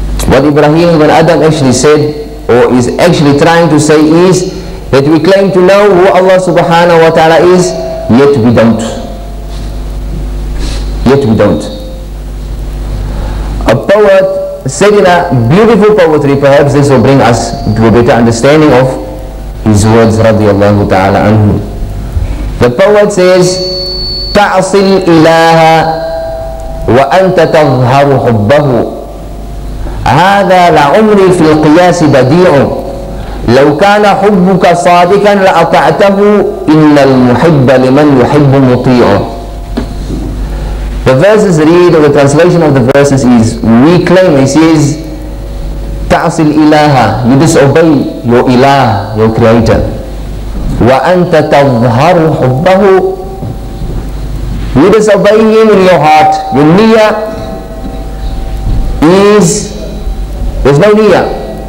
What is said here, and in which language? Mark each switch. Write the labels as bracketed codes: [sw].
[en] What Ibrahim ibn Adam actually said, or is actually trying to say, is that we claim to know who Allah subhanahu wa ta'ala is, yet we don't. Yet we don't. A poet said in a beautiful poetry, perhaps this will bring us to a better understanding of his words radiallahu ta'ala anhu. The poet says, [ar] تَعْصِلْ إِلَهَا وَأَنْتَ تَظْهَرُ حُبَّهُ هذا لعمري في القياس بديع لو كان حبك صادقا لأطعته إن المحب لمن يحب مطيع. [en] The verses read, or the translation of the verses is, we claim, he says, [ar] تعصي الإله, [en] you disobey your إله, your creator, [ar] وأنت تظهر حبه, [en] you disobey him in your heart, your niya is, there's no niya.